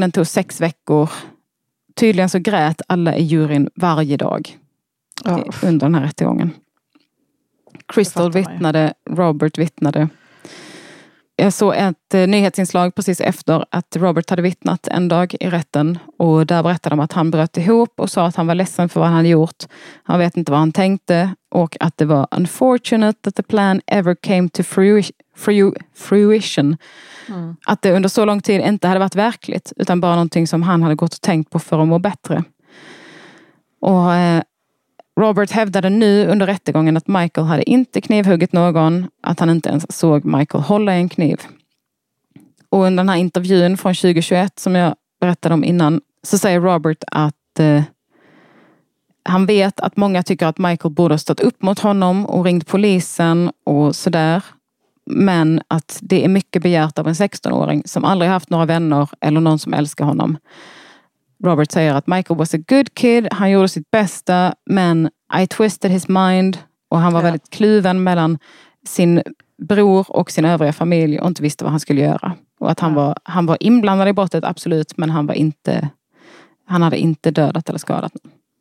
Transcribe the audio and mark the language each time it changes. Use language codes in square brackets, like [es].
[sv] Den tog 6 veckor. Tydligen så grät alla i juryn varje dag. Under den här rättegången. Crystal vittnade, Robert vittnade. Jag såg ett nyhetsinslag precis efter att Robert hade vittnat en dag i rätten. Och där berättade de att han bröt ihop och sa att han var ledsen för vad han hade gjort. Han vet inte vad han tänkte. Och att det var [en] unfortunate that the plan ever came to fruition. Mm. [sv] Att det under så lång tid inte hade varit verkligt. Utan bara någonting som han hade gått och tänkt på för att må bättre. Och Robert hävdade nu under rättegången att Michael hade inte knivhuggit någon. Att han inte ens såg Michael hålla en kniv. Och under den här intervjun från 2021 som jag berättade om innan. Så säger Robert att han vet att många tycker att Michael borde ha stått upp mot honom. Och ringt polisen och sådär. Men att det är mycket begärt av en 16-åring som aldrig haft några vänner eller någon som älskar honom. Robert säger att Michael [en] was a good kid. [sv] Han gjorde sitt bästa, men [en] I twisted his mind. [sv] Och han var väldigt kluven mellan sin bror och sin övriga familj och inte visste vad han skulle göra. Och att han var inblandad i brottet, absolut, men han hade inte dödat eller skadat någon.